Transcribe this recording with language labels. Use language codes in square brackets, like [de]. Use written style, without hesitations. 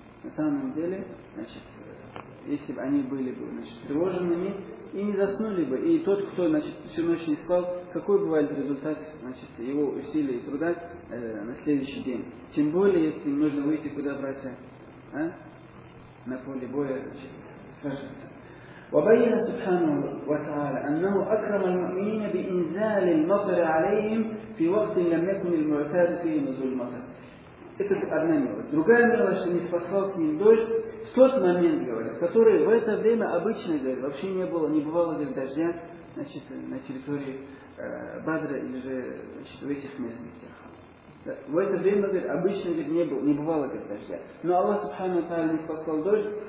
[ru] На самом деле, значит, если бы они были бы, значит, встревоженными и не заснули бы. И тот, кто, значит, всю ночь не спал, какой бывает результат, значит, его усилий и труда на следующий день. Тем более, если им нужно выйти куда, братья, а? На поле боя, значит, сражаться. [ar] وبين سبحانه وتعالى أنه أكرم المؤمنين بإنزال المطر عليهم في وقت لم يكن المعتاد فيه نزول المطر. [ru] Это одна мелочь. Другая мелочь, что не спасал к ним дождь, в тот момент, говорят, который в это время обычно, говорят, вообще не было, не бывало здесь дождя, значит, на территории Бадра или же, значит, в этих местностях. Да. В это время, говорят, обычно, говорят, не было, не бывало здесь дождя. Но Аллах Субхану Тааля не спасал дождь.